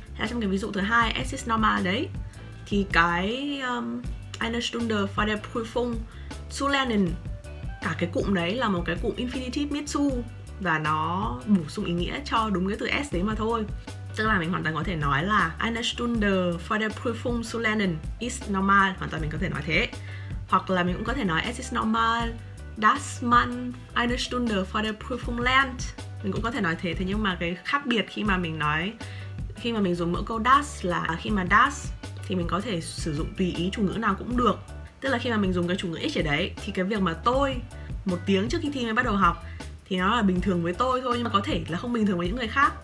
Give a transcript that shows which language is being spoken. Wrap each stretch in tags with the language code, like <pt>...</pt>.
<vi>Trong cái ví dụ thứ hai,</vi> <de>es ist normal</de> <vi>đấy, thì cái</vi> <de>eine Stunde vor der Prüfung zu lernen,</de> <vi>cả cái cụm đấy là một cái cụm infinitive mit zu, và nó bổ sung ý nghĩa cho đúng cái từ es đấy mà thôi. Tức là mình hoàn toàn có thể nói là</vi> <de>eine Stunde vor der Prüfung zu lernen ist normal,</de> <vi>hoàn toàn mình có thể nói thế. Hoặc là mình cũng có thể nói</vi> <de>es ist normal, dass man eine Stunde vor der Prüfung lernt.</de> <vi>Mình cũng có thể nói thế. Thế nhưng mà cái khác biệt khi mà mình nói, khi mà mình dùng mỗi câu das là khi mà das thì mình có thể sử dụng tùy ý chủ ngữ nào cũng được. Tức là khi mà mình dùng cái chủ ngữ ích ở đấy thì cái việc mà tôi một tiếng trước khi thi mới bắt đầu học thì nó là bình thường với tôi thôi, nhưng mà có thể là không bình thường với những người khác.</vi>